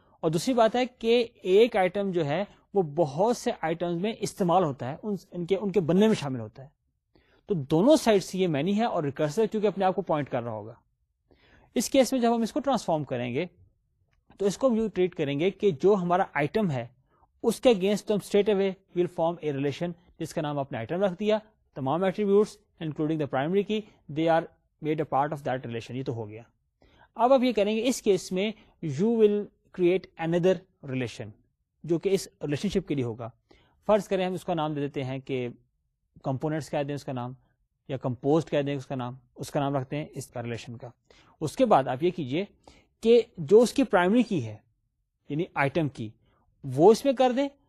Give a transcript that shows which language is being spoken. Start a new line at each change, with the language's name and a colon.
Urdu: اور دوسری بات ہے کہ ایک آئٹم جو ہے وہ بہت سے آئٹمس میں استعمال ہوتا ہے, ان کے بننے میں شامل ہوتا ہے. تو دونوں سائڈ سے یہ مینی ہے اور ریکرسر کیونکہ اپنے آپ کو پوائنٹ کر رہا ہوگا. اس کیس میں جب ہم اس کو ٹرانسفارم کریں گے تو اس کو ہم یوں ٹریٹ کریں گے کہ جو ہمارا آئٹم ہے اس کے اگینسٹ ہم
English: straight away will form a relation
Urdu: جس کا نام آپ نے آئٹم رکھ دیا. تمام
English: Attributes including the primary key they are made a part of that relation.
Urdu: یہ تو ہو گیا. اب آپ یہ کریں گے اس کیس میں
English: you will create اندر relation
Urdu: جو کہ اس ریلیشن شپ کے لیے ہوگا. فرض کریں ہم اس کا نام دے دیتے ہیں کہ کمپوننٹس کہہ دیں اس کا نام, یا کمپوزڈ کہہ دیں اس کا نام رکھتے ہیں اس کا ریلیشن کا. اس کے بعد آپ یہ کیجئے کہ جو اس کی پرائمری کی ہے یعنی آئٹم کی وہ اس میں کر دیں.